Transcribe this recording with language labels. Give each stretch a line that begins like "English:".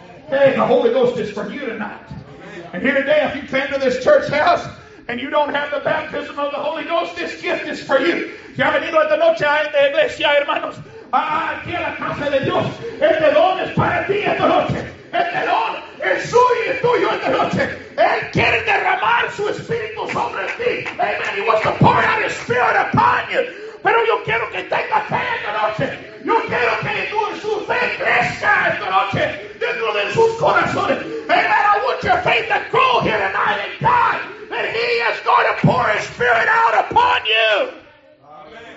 English: Hey, the Holy Ghost is for you tonight. And here today, if you came to this church house, and you don't have the baptism of the Holy Ghost, this gift is for you.
Spanish: Si ha venido esta noche a esta iglesia, hermanos, aquí a la casa de Dios, este don es para ti esta noche. Este don es suyo y tuyo esta noche. Él quiere derramar su espíritu sobre ti. Amen.
English: He wants to pour out his spirit upon you.
Spanish: Pero yo quiero que tenga fe esta noche. Yo quiero que tú en su fe crezca esta noche dentro de sus corazones.
English: Amen. I want your faith to grow here tonight in God that he is going to pour his spirit out upon you.